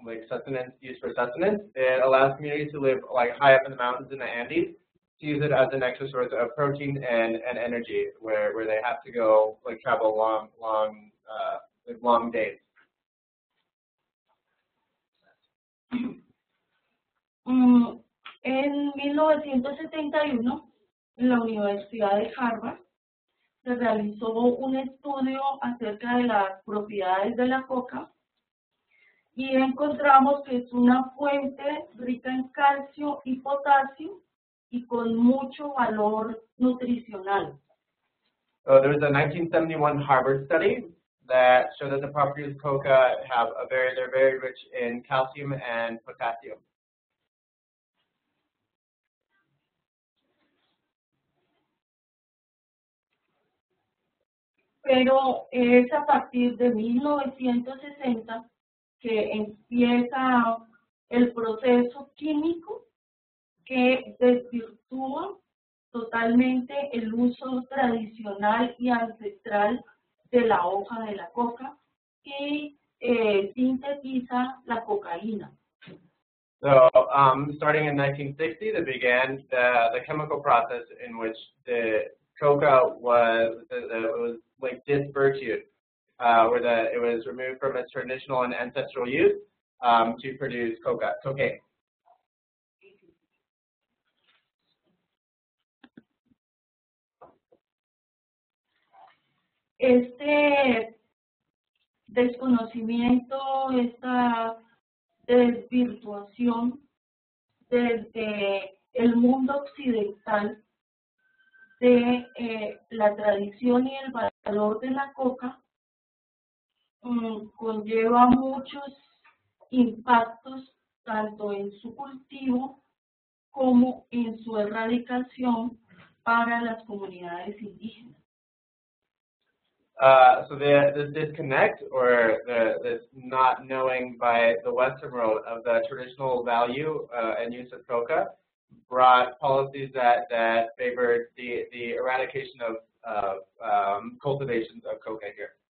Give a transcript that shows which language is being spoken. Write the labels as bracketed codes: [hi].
[en] Sustenance, it allows communities to live like high up in the mountains in the Andes to use it as an extra source of protein and energy where they have to go like travel long days. [es] En 1971, en la Universidad de Harvard se realizó un estudio acerca de las propiedades de la coca. Y encontramos que es una fuente rica en calcio y potasio y con mucho valor nutricional. [en] So there was a 1971 Harvard study that showed that the properties of coca have they're very rich in calcium and potassium. [es] Pero es a partir de 1960 que empieza el proceso químico que desvirtúa totalmente el uso tradicional y ancestral de la hoja de la coca que sintetiza la cocaína. [en] So, starting in 1960, they began the chemical process in which the coca was disvirtued. It was removed from its traditional and ancestral use to produce coca, cocaine. [es] Este desconocimiento, esta desvirtuación desde el mundo occidental de la tradición y el valor de la coca conlleva muchos impactos tanto en su cultivo como en su erradicación para las comunidades indígenas. [en] So the disconnect or the not knowing by the Western world of the traditional value and use of coca brought policies that favored the eradication of cultivations of coca here.